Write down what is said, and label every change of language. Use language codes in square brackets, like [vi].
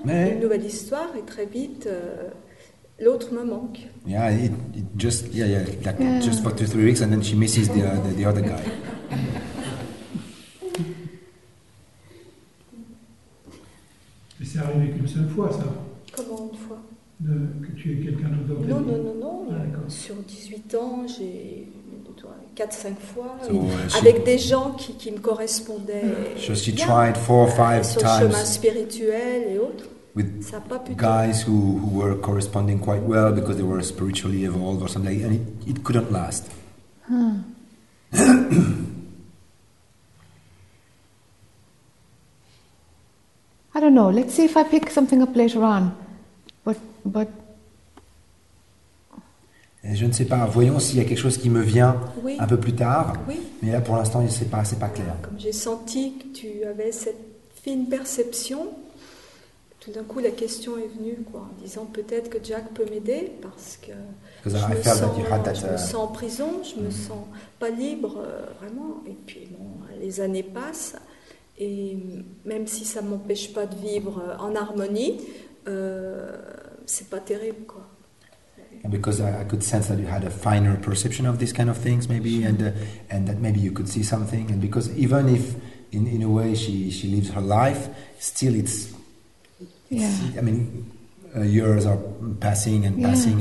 [fr] Mais une nouvelle histoire et très vite l'autre me manque. [en] Just for 2-3 weeks and then she misses the other guy. [fr] Mais c'est arrivé qu'une seule fois ça. Comment une fois? Que tu aies quelqu'un d'autre. Non. Sur 18 ans j'ai 4-5 fois, avec des gens qui me correspondaient. [en] So she tried 4 or 5 times. [fr] Sur chemin spirituel et autres. [en] With [fr] ça pas pu [en] guys who were corresponding quite well because they were spiritually evolved or something, and it couldn't last. Hmm. I don't know. Let's see if I pick something up later on. But. [fr] Je ne sais pas. Voyons s'il y a quelque chose qui me vient oui. un peu plus tard. Oui. Mais là, pour l'instant, c'est pas clair. Comme j'ai senti que tu avais cette fine perception, tout d'un coup, la question est venue, quoi, en disant peut-être que Jack peut m'aider parce que je me sens en prison, je me sens pas libre vraiment. Et puis, bon, les années passent et même si ça m'empêche pas de vivre en harmonie, c'est pas terrible, quoi. [en] Because I could sense that you had a finer perception of these kind of things, maybe, and that maybe you could see something. And because even if, in a way, she lives her life, still years are passing and passing.